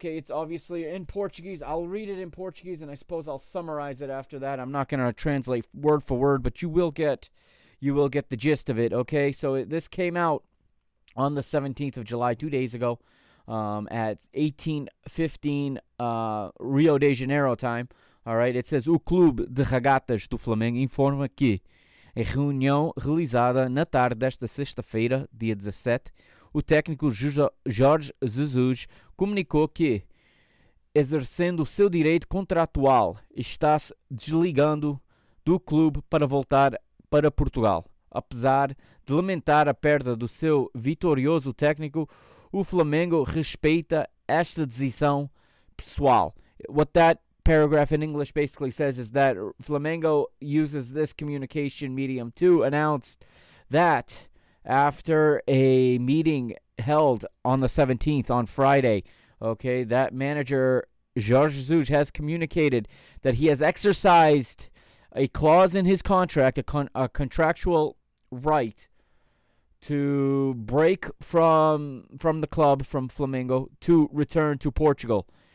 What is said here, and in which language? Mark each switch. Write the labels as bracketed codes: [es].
[en] Okay, it's obviously in Portuguese. I'll read it in Portuguese, and I suppose I'll summarize it after that. I'm not going to translate word for word, but you will get the gist of it. Okay, so this came out on the 17th of July, 2 days ago, at 18:15 Rio de Janeiro time. All right, it says, [pt] O Clube de Regatas do Flamengo informa que, em reunião realizada na tarde desta sexta-feira, dia 17, o técnico Jorge Jesus comunicou que, exercendo o seu direito contratual, está se desligando do clube para voltar para Portugal. Apesar de lamentar a perda do seu vitorioso técnico, o Flamengo respeita esta decisão pessoal. [en] What that paragraph in English basically says is that Flamengo uses this communication medium to announce that after a meeting held on the 17th on Friday, okay, that manager Jorge Jesus has communicated that he has exercised a clause in his contract, a contractual right to break from the club, from Flamengo, to return to Portugal.